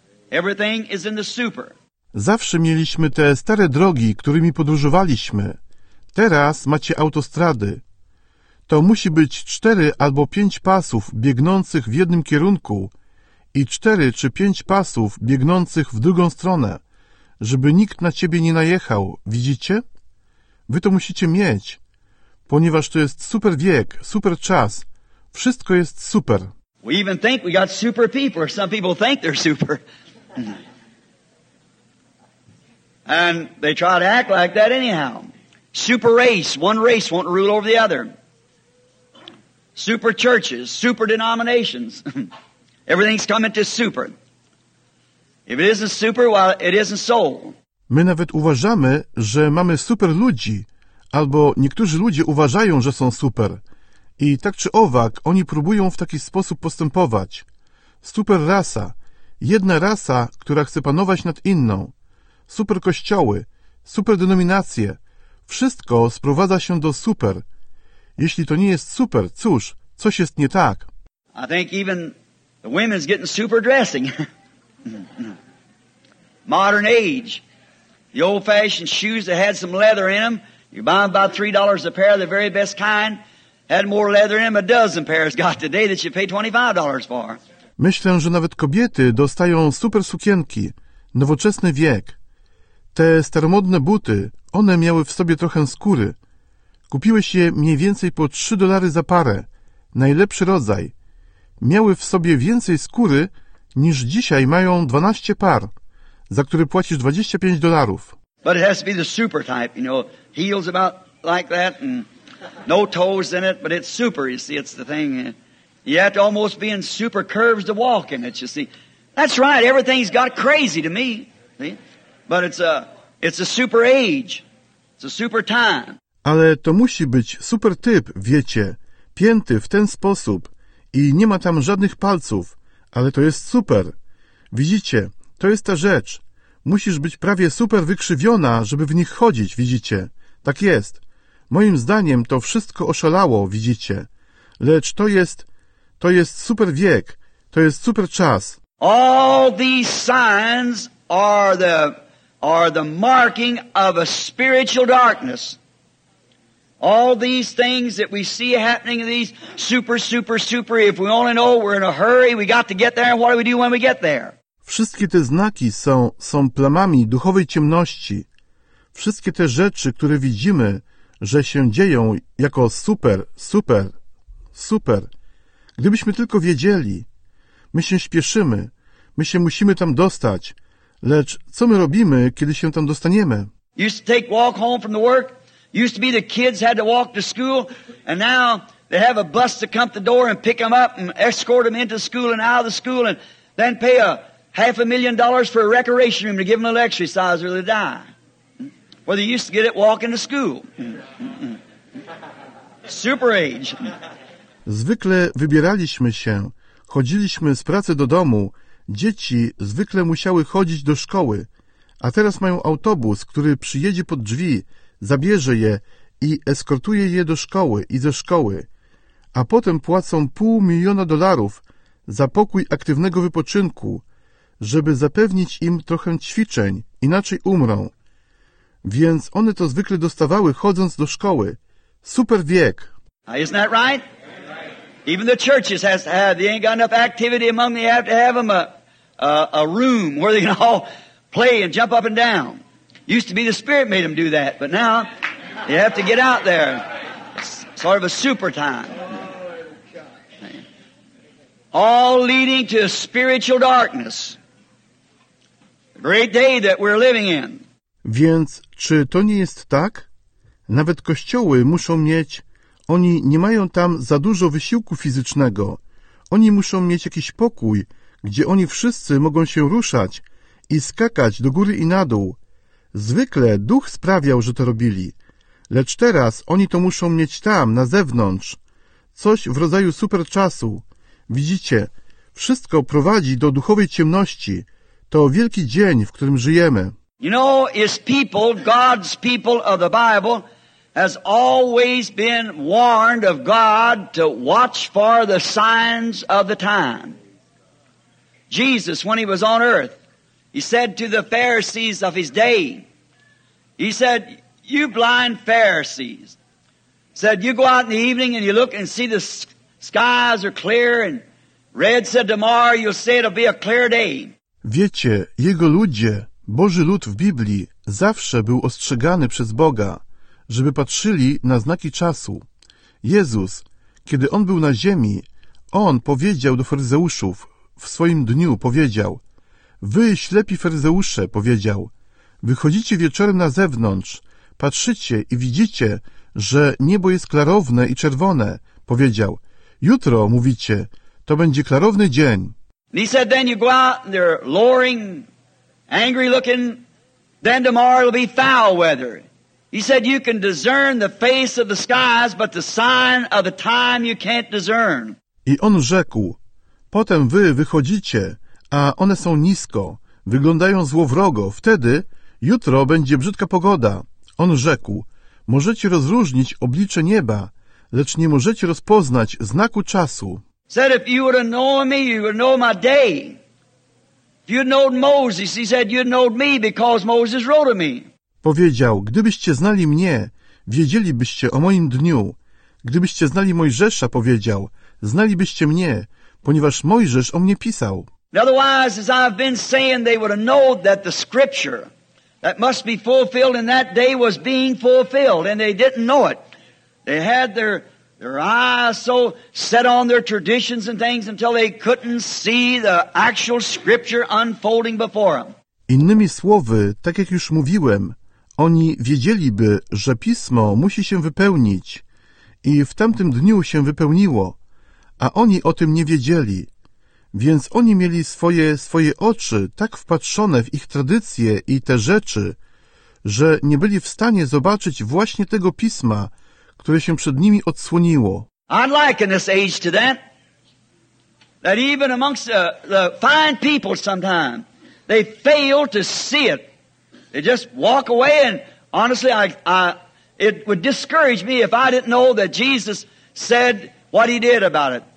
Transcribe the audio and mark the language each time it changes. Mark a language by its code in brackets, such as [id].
[en] Everything is in the super. [pl] Zawsze mieliśmy te stare drogi, którymi podróżowaliśmy. Teraz macie autostrady. To musi być 4 albo 5 pasów biegnących w jednym kierunku i 4 czy 5 pasów biegnących w drugą stronę, żeby nikt na ciebie nie najechał, widzicie? Wy to musicie mieć, ponieważ to jest super wiek, super czas. Wszystko jest super. [en] We even think we got super people. Some people think they're super. And they try to act like that anyhow. Super race. One race won't rule over the other. Super churches, super denominations. Everything's coming to super. If it isn't super, well, it isn't soul. [pl] My nawet uważamy, że mamy super ludzi, albo niektórzy ludzie uważają, że są super. I tak czy owak, oni próbują w taki sposób postępować. Super rasa. Jedna rasa, która chce panować nad inną. Super kościoły, super denominacje. Wszystko sprowadza się do super. Jeśli to nie jest super, cóż, coś jest nie tak. [en] I think even the women's getting super dressing. Modern age. The old-fashioned shoes that had some leather in them. You buy them about $3 a pair, the very best kind. Had more leather in them, a dozen pairs got today that you pay $25 for. [pl] Myślę, że nawet kobiety dostają super sukienki. Nowoczesny wiek. Te staromodne buty, one miały w sobie trochę skóry. Kupiłeś je mniej więcej po $3 za parę. Najlepszy rodzaj. Miały w sobie więcej skóry niż dzisiaj mają 12 par, za które płacisz $25. [en] But it has to be the super type, you know. Heels about like that and no toes in it, but it's super, you see, it's the thing. You have to almost be in super curves to walk in it, you see. That's right, everything's got crazy to me, see? But it's a super age, it's a super time. [pl] Ale to musi być super typ, wiecie, pięty w ten sposób i nie ma tam żadnych palców, ale to jest super. Widzicie, to jest ta rzecz. Musisz być prawie super wykrzywiona, żeby w nich chodzić, widzicie. Tak jest. Moim zdaniem to wszystko oszalało, widzicie. Lecz to jest super wiek, to jest super czas. [en] All these signs are the marking of a spiritual darkness. All these things that we see happening, these super, super, super, if we only know we're in a hurry, we got to get there, and what do we do when we get there? [pl] Wszystkie te znaki są plamami duchowej ciemności. Wszystkie te rzeczy, które widzimy, że się dzieją jako super, super, super. Gdybyśmy tylko wiedzieli. My się śpieszymy. My się musimy tam dostać. Lecz co my robimy, kiedy się tam dostaniemy? [en] Used to take walk home from the work. Used to be the kids had to walk to school. And now they have a bus to come to the door and pick them up and escort them into school and out of the school and then pay a $500,000 for a recreation room to give them a lecture size or they die. Well, they used to get it walking to school. Super age. [pl] Zwykle wybieraliśmy się, chodziliśmy z pracy do domu. Dzieci zwykle musiały chodzić do szkoły, a teraz mają autobus, który przyjedzie pod drzwi, zabierze je i eskortuje je do szkoły i ze szkoły, a potem płacą $500,000 za pokój aktywnego wypoczynku, żeby zapewnić im trochę ćwiczeń, inaczej umrą. Więc one to zwykle dostawały, chodząc do szkoły. Super wiek. [en] Isn't that right? Even the churches has to have. They ain't got enough activity among them. They have to have them a room where they can all play and jump up and down. Used to be the Spirit made them do that, but now they have to get out there. It's sort of a super time. All leading to spiritual darkness. Great day that we're living in. [pl] Więc czy to nie jest tak? Nawet kościoły muszą mieć, oni nie mają tam za dużo wysiłku fizycznego. Oni muszą mieć jakiś pokój, gdzie oni wszyscy mogą się ruszać i skakać do góry i na dół. Zwykle duch sprawiał, że to robili. Lecz teraz oni to muszą mieć tam, na zewnątrz. Coś w rodzaju super czasu. Widzicie, wszystko prowadzi do duchowej ciemności. To wielki dzień, w którym żyjemy. [en] You know, his people, God's people of the Bible, has always been warned of God to watch for the signs of the time. Jesus, when he was on earth, he said to the Pharisees of his day, he said, you blind Pharisees, said, you go out in the evening and you look and see the skies are clear and red, said, tomorrow you'll say it'll be a clear day. [pl] Wiecie, jego ludzie, Boży lud w Biblii, zawsze był ostrzegany przez Boga, żeby patrzyli na znaki czasu. Jezus, kiedy on był na ziemi, on powiedział do faryzeuszów, w swoim dniu powiedział, wy ślepi faryzeusze, powiedział, wychodzicie wieczorem na zewnątrz, patrzycie i widzicie, że niebo jest klarowne i czerwone, powiedział, jutro, mówicie, to będzie klarowny dzień. [en] He said, then you go out and they're lowering, angry looking, then tomorrow it'll be foul weather. He said, you can discern the face of the skies, but the sign of the time you can't discern. [pl] I on rzekł, potem wy wychodzicie, a one są nisko, wyglądają złowrogo, wtedy jutro będzie brzydka pogoda. On rzekł, możecie rozróżnić oblicze nieba, lecz nie możecie rozpoznać znaku czasu. [en] Said if you would have known me, you would know my day. If you'd known Moses, he said you'd known me because Moses wrote of me. [pl] Powiedział, gdybyście znali mnie, wiedzielibyście o moim dniu. Gdybyście znali Mojżesza, powiedział, znalibyście mnie, ponieważ Mojżesz o mnie pisał. [en] In other words, as I've been saying, they would have known that the scripture that must be fulfilled in that day was being fulfilled, and they didn't know it. They had their eyes so set on their traditions and things until they couldn't see the actual scripture unfolding before them. [pl] Innymi słowy, tak jak już mówiłem, oni wiedzieliby, że pismo musi się wypełnić i w tamtym dniu się wypełniło, a oni o tym nie wiedzieli. Więc oni mieli swoje oczy tak wpatrzone w ich tradycje i te rzeczy, że nie byli w stanie zobaczyć właśnie tego pisma, które się przed nimi odsłoniło. [en] I'd liken this age to that even amongst the fine people sometimes, they fail to see it. They just walk away, and honestly, it would discourage me if I didn't know that Jesus said what he did about it.